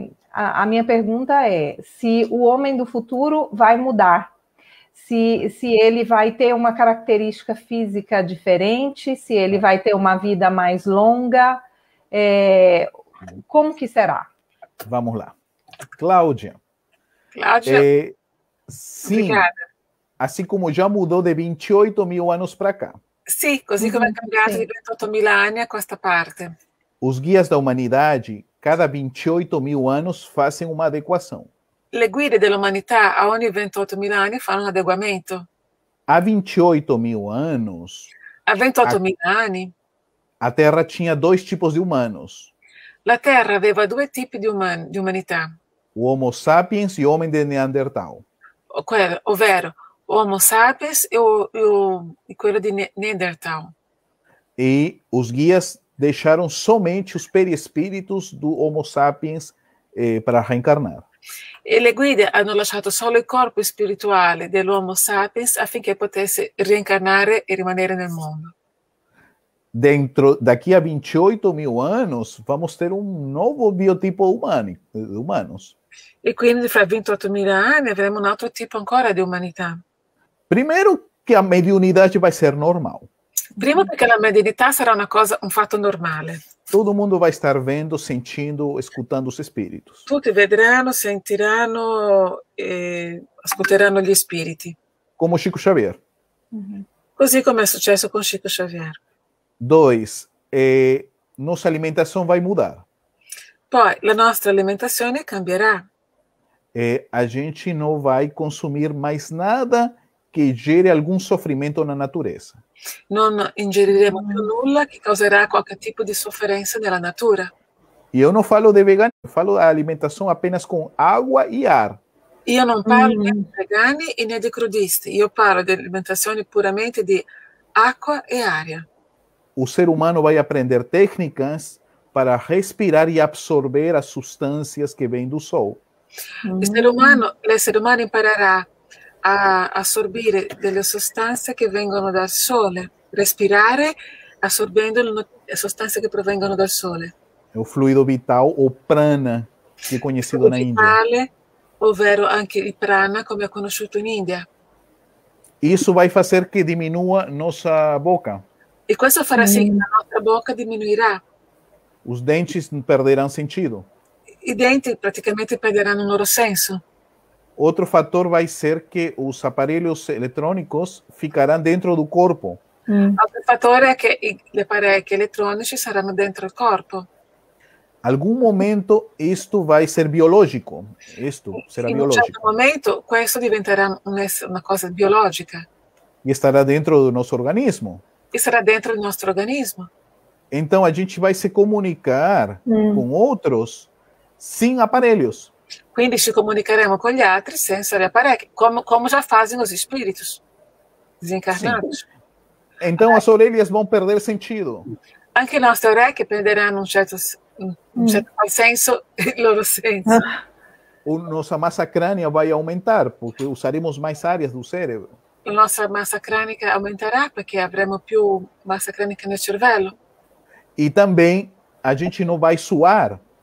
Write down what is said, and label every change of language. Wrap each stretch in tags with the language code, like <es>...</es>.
<pt>A mia pergunta è se o homem do futuro vai mudar, se ele vai ter uma característica física diferente, se ele vai ter uma vida mais longa. Como que será? Vamos lá, Cláudia. Cláudia, Sim, obrigada. assim como já mudou de 28 mil anos para cá,</pt> <it>Sim, così come è cambiato di 28.000 anni a questa parte.</it> <pt>os guias da humanidade, cada 28 mil anos, fazem uma adequação.</pt> <it>Le guide dell'umanità a ogni 28.000 anni fanno un adeguamento.</it> <pt>Há 28 mil anos,</pt> <it>A 28.000 anni?</it> <pt>a Terra tinha dois tipos de humanos.</pt> <it>La Terra aveva due tipi di umanità.</it> <pt>O Homo sapiens e o homem de Neandertal.</pt> <it>Ovvero, Homo sapiens e quello di Neanderthal.</it> <pt>E os guias deixaram somente os perispíritos do Homo sapiens para reencarnar.</pt> <it>E le guide hanno lasciato solo il corpo spirituale dell'Homo sapiens affinché potesse reincarnare e rimanere nel mondo.</it> <pt>Dentro, daqui a 28 mil anos, vamos ter um novo biotipo humanos.</pt> <it>E quindi fra 28.000 anni avremo un altro tipo ancora di umanità.</it> <pt>Primeiro que a mediunidade vai ser normal.</pt> <it>Prima perché la mediunità sarà una cosa, un fatto normale.</it> <pt>Todo mundo vai estar vendo, sentindo, escutando os espíritos.</pt> <it>Tutti vedranno, sentiranno e ascolteranno gli spiriti.</it> <pt>Como Chico Xavier.</pt> <it>Così come è successo con Chico Xavier.</it> <pt>Dois, nossa alimentação vai mudar.</pt> <it>Poi la nostra alimentazione cambierà.</it> <pt>A gente não vai consumir mais nada</pt> <it>che</it> <pt>geri algum sofrimento na natureza.</pt> <it>Non ingeriremo più nulla che causerà qualche tipo di sofferenza nella natura.</it> <pt>E eu não falo de vegano, eu falo alimentação apenas com água e ar.</pt> <it>Io non parlo né di vegani e né di crudisti, io parlo di alimentazione puramente di acqua e aria.</it> <pt>O ser humano vai aprender técnicas para respirar e absorver as substâncias que vêm do sol.</pt> <it>L'essere umano imparerà a assorbire delle sostanze che vengono dal sole, respirare assorbendo le sostanze che provengono dal sole.</it> <pt>È o fluido vital, o prana,</pt> <it>che è</it> <pt>conosciuto na India.</pt> <it>vitale, ovvero anche il prana come è conosciuto in India. E</it> <pt>Isso vai fazer que diminua nossa boca.</pt> <it>questo farà sì che la nostra bocca diminuirà.</it> <pt>Os dentes perderão sentido.</pt> <it>I denti praticamente perderanno il loro senso.</it> <pt>Outro fator vai ser que os aparelhos eletrônicos ficarão dentro do corpo.</pt> <it>Altro fattore è che gli apparecchi elettronici saranno dentro il corpo.</it> <pt>Algum momento isto vai ser biológico. Isto será</pt> <it>In un certo</it> <pt>biológico.</pt> <it>momento questo diventerà una cosa biologica e</it> <pt>E estará dentro do nosso organismo.</pt> <it>sarà dentro il nostro organismo.</it> <pt>Então a gente vai se comunicar com outros sem aparelhos.</pt> <it>Quindi ci comunicheremo con gli altri senza gli apparecchi, come già fanno gli spiriti</it> <pt>Sim.</pt> <it>disincarnati.</it> <pt>Então as orelhas vão perder sentido.</pt> <it>Anche le nostre orecchie perderanno un certo senso, il loro senso.</it> <pt>Nossa massa crânia vai aumentar, porque usaremos mais áreas do cérebro.</pt> <it>La nostra massa cranica aumenterà perché avremo più massa cranica nel cervello.</it> <pt>E também a gente não vai suar.</pt>